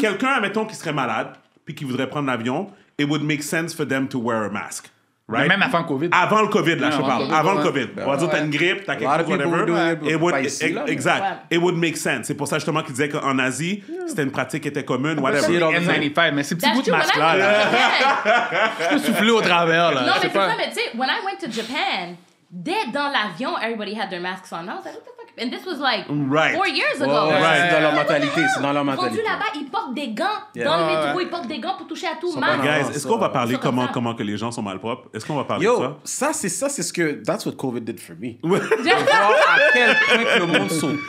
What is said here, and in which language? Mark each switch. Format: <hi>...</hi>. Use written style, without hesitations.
<fr>Quelqu'un, admettons, qui serait malade, puis qui voudrait prendre l'avion,</fr> <en>it would make sense for them to wear a mask. Right?</en> <fr>Même avant le COVID. Avant le COVID, là, non, je parle. Okay. Avant le COVID. Ben, on va dire, t'as une grippe, t'as quelque chose, whatever. Exact.</fr> <en>It would make sense.</en> <fr>C'est pour ça, justement, qu'il disait qu'en Asie, c'était une pratique qui était commune, whatever. C'est N95, mais c'est petit bout de masque, là. Je peux souffler au travers, là. Non, mais c'est ça, mais tu sais,</fr> <en>when I went to Japan,</en> <fr>dès dans l'avion,</fr> <en>everybody had their masks on. I was like, what the fuck? And this was like 4 years ago.</en> <fr>Oh, right. C'est dans leur mentalité. C'est dans leur mentalité. Rendu là-bas, ils portent des gants dans le métro. Ils portent des gants pour toucher à tout. Mal. Guys, est-ce qu'on va parler comment que les gens sont malpropres? Est-ce qu'on va parler de ça?</fr> <en>Yo,</en> <fr>c'est ce que...</fr> <en>That's what COVID did for me.</en> <fr>Je vois à quel point que le monde sont...</fr>